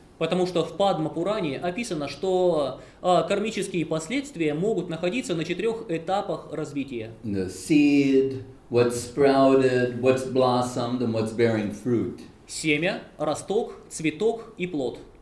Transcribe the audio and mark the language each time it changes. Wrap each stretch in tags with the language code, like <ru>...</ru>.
<ru>Потому что в Падма-пуране описано, что кармические последствия могут находиться на четырех этапах развития.</ru> <en>The seed, what sprouted, what's blossomed, and what's bearing fruit.</en> <ru>Семя, росток, цветок и плод.</ru>